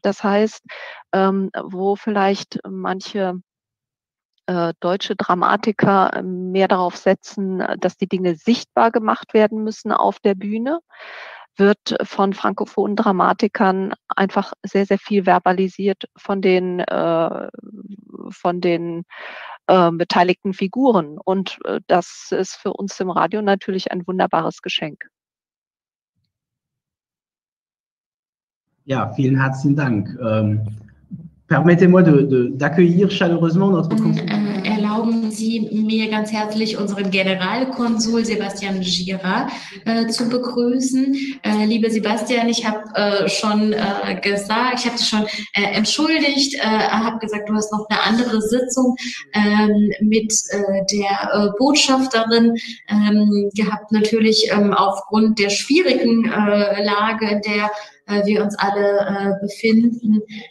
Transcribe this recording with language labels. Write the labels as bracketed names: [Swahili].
[German] Das heißt, wo vielleicht manche deutsche Dramatiker mehr darauf setzen, dass die Dinge sichtbar gemacht werden müssen auf der Bühne, wird von frankophonen Dramatikern einfach sehr, sehr viel verbalisiert von den beteiligten Figuren. Und das ist für uns im Radio natürlich ein wunderbares Geschenk. Ja, vielen herzlichen Dank. [French] Permettez-moi d'accueillir chaleureusement notre consul. [German] Erlauben Sie mir ganz herzlich unseren Generalkonsul Sebastian Gira zu begrüßen. Lieber Sebastian, ich habe schon gesagt, ich habe dich schon entschuldigt, habe gesagt, du hast noch eine andere Sitzung mit der Botschafterin gehabt, natürlich aufgrund der schwierigen Lage, in der wir uns alle befinden.